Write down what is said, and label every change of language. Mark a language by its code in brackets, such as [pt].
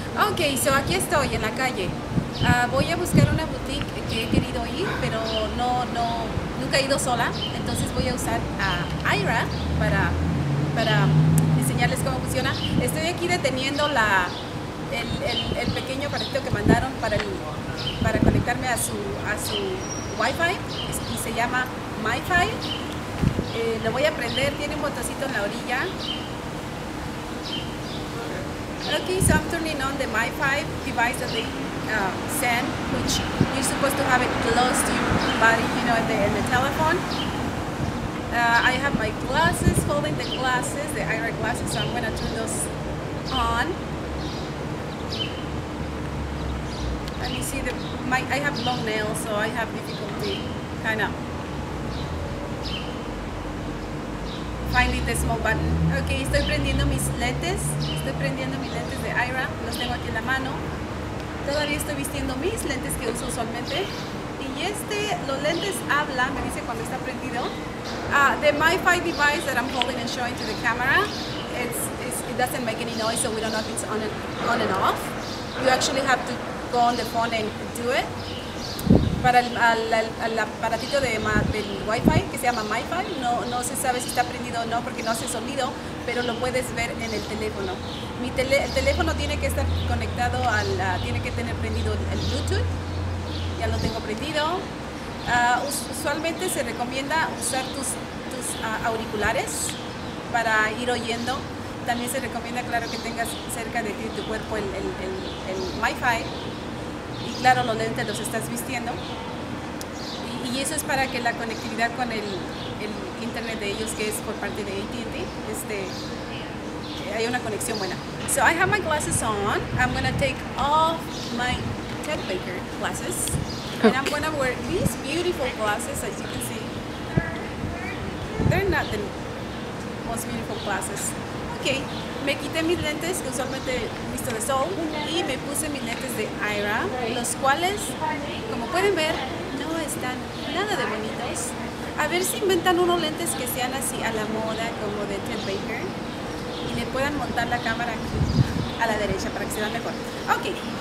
[es] Ok, so aquí estoy en la calle. Voy a buscar una boutique que he querido ir, pero nunca he ido sola, entonces voy a usar a Aira para enseñarles cómo funciona. Estoy aquí deteniendo el pequeño aparatito que mandaron para conectarme a su Wi-Fi, y se llama MiFi. Lo voy a prender, tiene un botoncito en la orilla. [en] Ok, so I'm turning on the MiFi device that they send, which you're supposed to have it close to your body, you know, at the telephone. I have my glasses full holding the glasses, the IRA glasses, so I'm going to turn those on. And you see, I have long nails, so I have difficulty kind of finding the small button. [es] Okay, estoy prendiendo mis lentes. Estoy prendiendo mis lentes de IRA. Los tengo aquí en la mano. Todavía estoy vistiendo mis lentes que uso usualmente. Y este, los lentes habla, me dice cuando está prendido. [en] The MiFi device that I'm holding and showing to the camera, it doesn't make any noise, so we don't know if it's on and off. You actually have to go on the phone and do it. [es] Para el aparatito del Wi-Fi, que se llama MiFi, no se sabe si está prendido o no porque no hace sonido, pero lo puedes ver en el teléfono. El teléfono tiene que estar conectado tiene que tener prendido el Bluetooth. Ya lo tengo prendido. Usualmente se recomienda usar tus auriculares para ir oyendo. También se recomienda, claro, que tengas cerca de ti tu cuerpo el MiFi. Y claro, los lentes los estás vistiendo. Y eso es para que la conectividad con el internet de ellos, que es por parte de AT&T, hay una conexión buena. [en] So I have my glasses on. I'm going to take off my Ted Baker glasses. Okay. And I'm going to wear these beautiful glasses, as you can see. They're not the most beautiful glasses. [es] Okay, me quité mis lentes, que usualmente visto de sol, y me puse mis lentes de IRA, los cuales, como pueden ver, no están nada de bonitos. A ver si inventan unos lentes que sean así a la moda, como de Ted Baker, y le puedan montar la cámara aquí a la derecha para que se vean mejor. Okay.